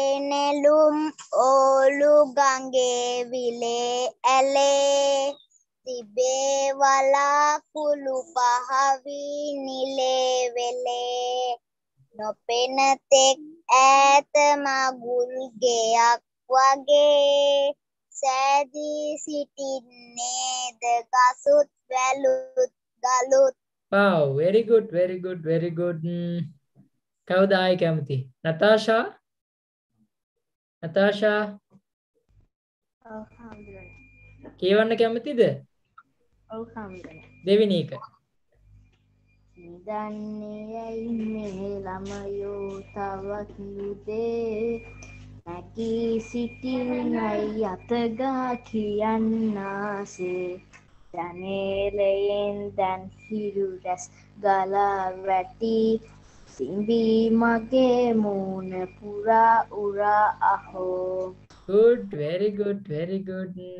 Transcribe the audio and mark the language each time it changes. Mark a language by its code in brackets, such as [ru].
[si] නෙළුම් ඕලු ගඟේ විලේ ඇලේ තිබේ වලා කුළු පහවි නිලේ වෙලේ නොපෙන තෙක් ඈත මගුල් ගෙයක් වගේ සෑදී සිටින්නේද ගසුත් වැලුත් ගලුත්. [en] Wow, very good, very good, very good. [si] කවුද ආයි කැමති? නතාෂා. නතාෂා කියවන්න කැමතිද? දෙවෙනි එක. දන්නේ ඇයි මේ ළමයෝ තවත් යුදේ නැකී සිටින්නයි අතගා කියන්නාසේ ජනේලයෙන් දැන් හිරු රැස් ගලා වැටි සිඹි මගේ මූණ පුරා උරා අහෝ. [en] Good, very good, very good.